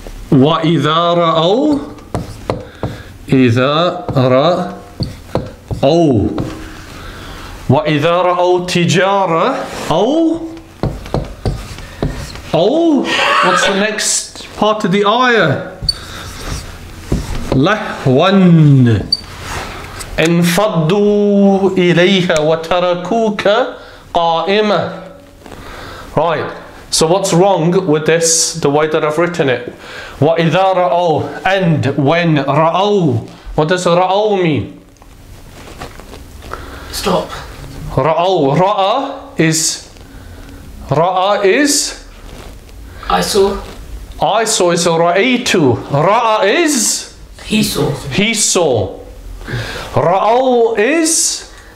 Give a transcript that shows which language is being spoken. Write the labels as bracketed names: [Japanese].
[Arabic] وَإِذَا رَأَوْا. إِذَا رَأَوْا. أو وإذا رأوا تجارة أو أو. [English] What's the next part of the ayah? [Arabic] لهوان انفضوا إليها وتركوك قائمة. [English] Right. So what's wrong with this, the way that I've written it? [Arabic] وإذا رأوا, [English] and when [Arabic] رأوا. [English] What does رأوا mean? Stop. [Arabic] Ra'aw. Ra'a is. Ra'a is. [English] I saw. I saw is a ra'aytu. Ra'a is. He saw. He saw. Ra'aw is.